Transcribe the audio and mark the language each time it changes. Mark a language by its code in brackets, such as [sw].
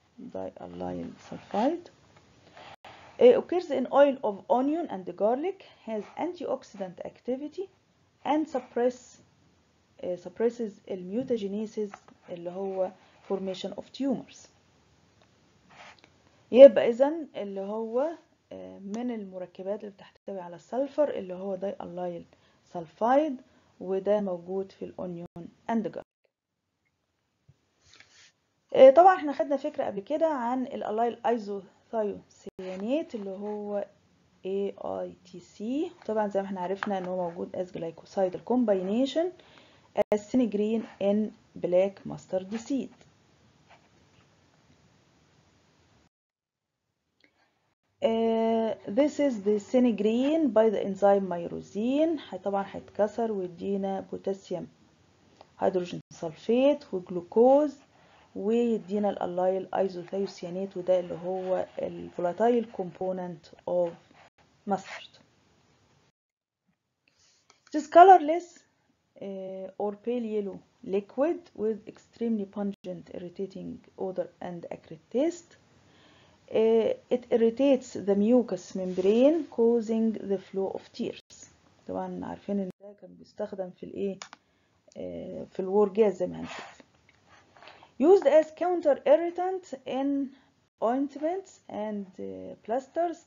[en] Dialyl sulfide occurs in oil of onion and garlic, has antioxidant activity and suppresses mutagenesis [ar] اللي هو [en] formation of tumors. [ar] يبقى إذن اللي هو من المركبات اللي بتحتوي على السلفر اللي هو dialyl sulfide، وده موجود في الأونيون [en] and the garlic. [ar] طبعا احنا خدنا فكرة قبل كده عن الاليل ايزوثيوسيانيت اللي هو AITC، طبعا زي ما احنا عرفنا انه موجود [en] as glycosidal combination as synegrine in black mustard seed. This is the synegrine by the enzyme myrosine. [ar] طبعا هيتكسر ويدينا potassium hydrogen sulfate وجلوكوز، ويدينا الاليل ايزوثيوسيانيت وده اللي هو [en] الفولاتايل component of mustard. It is colorless or pale yellow liquid with extremely pungent irritating odor and acrid taste. It irritates the mucous membrane causing the flow of tears. [ar] طبعا عارفين ان ده كان بيستخدم في الايه في الورجاز زي ما هنشوف. [en] Used as counter irritant in ointments and plasters.